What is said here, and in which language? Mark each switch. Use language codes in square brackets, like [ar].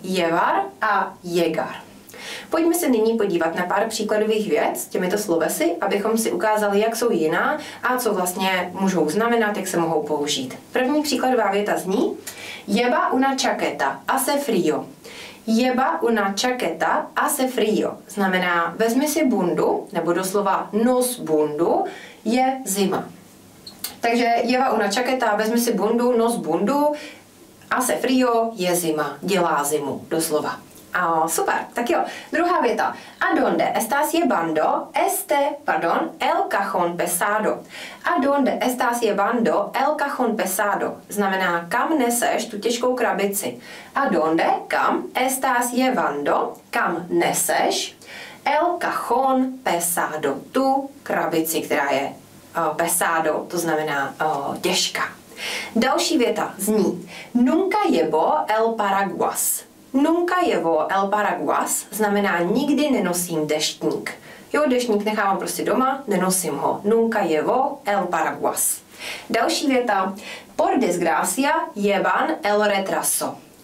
[cs] Llevar a llegar. Pojďme se nyní podívat na pár příkladových vět s těmito slovesy, abychom si ukázali, jak jsou jiná a co vlastně můžou znamenat, jak se mohou použít. První příkladová věta zní: Lleva una chaqueta, hace frío. [es] Lleva una chaqueta, hace frío. [cs] Znamená, vezmi si bundu, nebo doslova nos bundu, je zima. Takže lleva una chaqueta, vezmi si bundu, nos bundu, hace frío, je zima, dělá zimu, doslova. A super, tak jo. Druhá věta. [es] A donde estás llevando este, pardon, el cajón pesado? A donde estás llevando el cajón pesado? [cs] Znamená, kam neseš tu těžkou krabici. [es] A donde, kam, estás llevando, kam neseš el cajón pesado? [cs] Tu krabici, která je pesado, to znamená těžká. Další věta zní: Nunca llevo el paraguas. Nunca llevo el paraguas znamená nikdy nenosím deštník. Jo, deštník nechávám prostě doma, nenosím ho. [es] Nunca llevo el paraguas. Další věta. Por desgracia llevan el retraso.